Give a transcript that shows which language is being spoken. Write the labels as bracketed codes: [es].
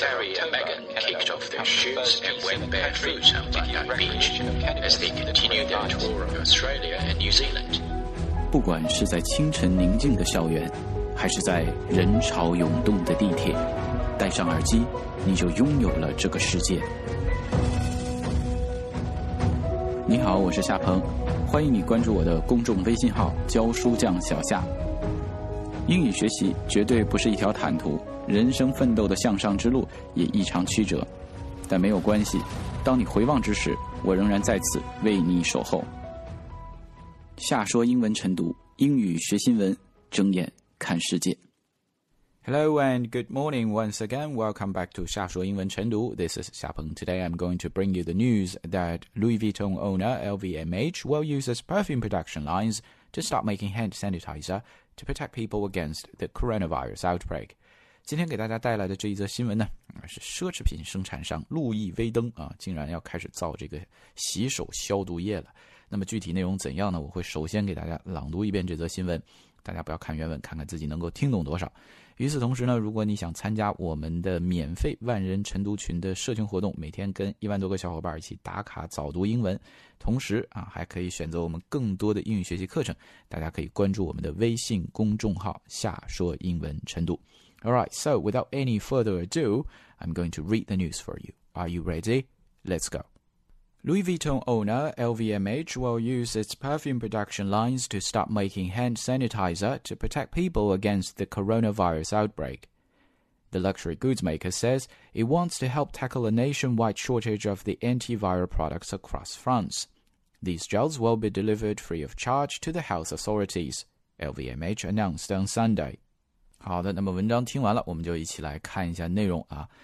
[en] Harry and Meghan kicked off their shoes and went barefoot on Bondi Beach as they continued their tour of Australia and New Zealand. [zh] 不管是在清晨宁静的校园，还是在人潮涌动的地铁，戴上耳机，你就拥有了这个世界。你好，我是夏鹏，欢迎你关注我的公众微信号“教书匠小夏”。英语学习绝对不是一条坦途，人生奋斗的向上之路也异常曲折，但没有关系，当你回望之时，我仍然在此为你守候。夏说英文晨读，英语学新闻，睁眼看世界。 [en] Hello and good morning once again. Welcome back to 夏说英文晨读。This is 夏鹏. Today I'm going to bring you the news that Louis Vuitton owner LVMH will use its perfume production lines to start making hand sanitizer to protect people against the coronavirus outbreak. [zh] 今天给大家带来的这一则新闻呢，是奢侈品生产商路易威登啊，竟然要开始造这个洗手消毒液了。那么具体内容怎样呢？我会首先给大家朗读一遍这则新闻，大家不要看原文，看看自己能够听懂多少。与此同时呢，如果你想参加我们的免费万人晨读群的社群活动，每天跟一万多个小伙伴一起打卡早读英文，同时啊还可以选择我们更多的英语学习课程，大家可以关注我们的微信公众号“夏说英文晨读”。 [en] All right, so without any further ado, I'm going to read the news for you. Are you ready? Let's go. Louis Vuitton owner LVMH will use its perfume production lines to start making hand sanitizer to protect people against the coronavirus outbreak. The luxury goods maker says it wants to help tackle a nationwide shortage of the antiviral products across France. These gels will be delivered free of charge to the health authorities, LVMH announced on Sunday. [zh] 好的，那么文章听完了，我们就一起来看一下内容啊。